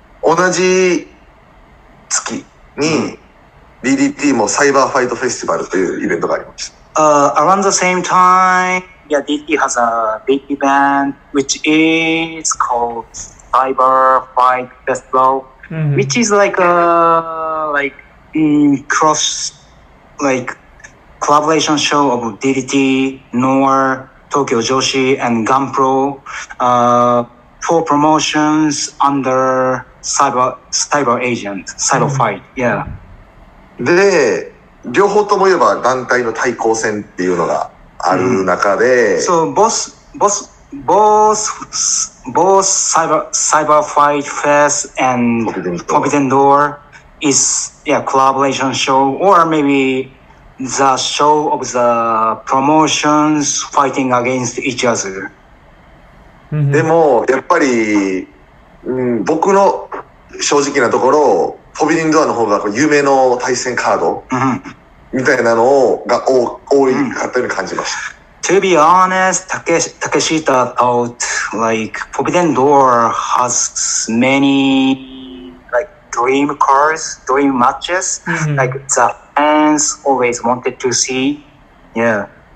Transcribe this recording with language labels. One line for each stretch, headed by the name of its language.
Japanese: 同じ月に、DDT もサイバーファイトフェスティバルというイベントがありました。
English: Around the same time, yeah, DDT has a big event which is called Cyber Fight Festival, which is like collaboration show of DDT, NOAH, Tokyo Joshi, and Gunpro, four promotions under Cyber Agent, Cyber Fight, yeah.
Japanese: で両方とも言えば団体の対抗戦っていうのがある中で、
English: So both cyber fight fest and Forbidden Door is collaboration show or maybe the show of the promotions fighting against each other。
Japanese: でもやっぱり、僕の正直なところ。フォビディンドアの方が有名の対戦カードみたいなのが多かったように感じました。
English: To be honest, Takeshita thought like Forbidden Door has many like dream cards, dream matches, like the fans always wanted to see. Yeah.